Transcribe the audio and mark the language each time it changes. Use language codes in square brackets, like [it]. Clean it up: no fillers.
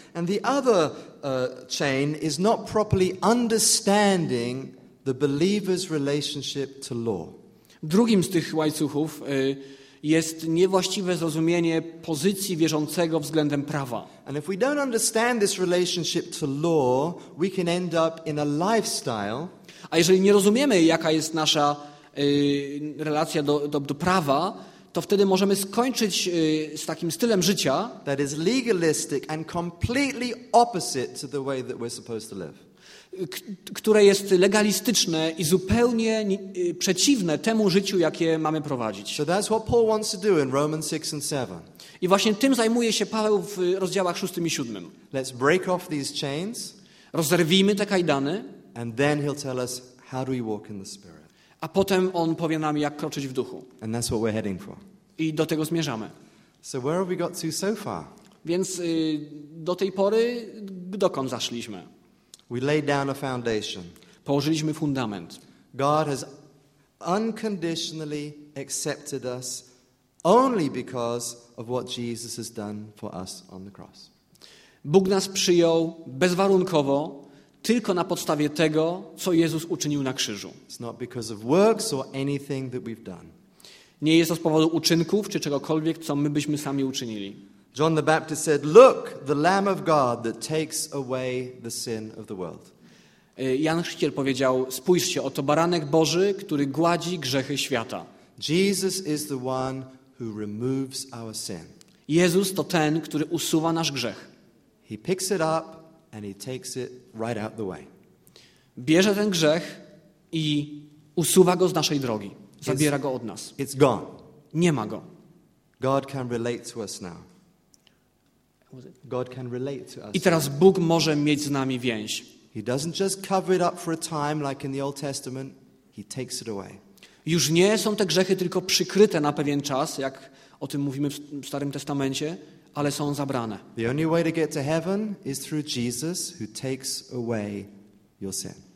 [en] And the other chain is not properly understanding the believer's relationship to law. [pl] Drugim z tych łańcuchów jest niewłaściwe zrozumienie pozycji wierzącego względem prawa. [en] And if we don't understand this relationship to law, we can end up in a lifestyle. [pl] A jeżeli nie rozumiemy, jaka jest nasza relacja do prawa, to wtedy możemy skończyć z takim stylem życia, [en] that is legalistic and completely opposite to the way that we're supposed to live. [pl] Które jest legalistyczne i zupełnie przeciwne temu życiu, jakie mamy prowadzić. [en] So that's what Paul wants to do in Romans 6 and 7. [pl] I właśnie tym zajmuje się Paweł w rozdziałach 6 i 7. [en] Let's break off these chains. [pl] Rozerwijmy te kajdany. [en] And then he'll tell us how do we walk in the Spirit. [pl] A potem on powie nam, jak kroczyć w duchu. [en] And that's what we're heading for. [pl] I do tego zmierzamy. [en] So where have we got to so far? [pl] Więc do tej pory dokąd zaszliśmy? [en] We laid down a foundation. [pl] Położyliśmy fundament. [en] God has unconditionally accepted us only because of what Jesus has done for us on the cross. [pl] Bóg nas przyjął bezwarunkowo tylko na podstawie tego, co Jezus uczynił na krzyżu. [en] It's not because of works or anything that we've done. [pl] Nie jest to z powodu uczynków czy czegokolwiek, co my byśmy sami uczynili. [en] John the Baptist said, "Look, the Lamb of God that takes away the sin of the world." [pl] Jan Chrzciciel powiedział: "Spójrzcie, oto baranek Boży, który gładzi grzechy świata." [en] Jesus is the one who removes our sin. [pl] Jezus to ten, który usuwa nasz grzech. [en] He picks it up and he takes it right out the way. [pl] Bierze ten grzech i usuwa go z naszej drogi. Zabiera go od nas. [en] It's gone. [pl] Nie ma go. [en] God can relate to us now. God can relate to us. [pl] I teraz Bóg może mieć z nami więź. [en] He doesn't just cover it up for a time like in the Old Testament, he takes it away. [pl] Już nie są te grzechy tylko przykryte na pewien czas, jak o tym mówimy w Starym Testamencie, ale są zabrane. [en] The only way to get to heaven is through Jesus who takes away your sin.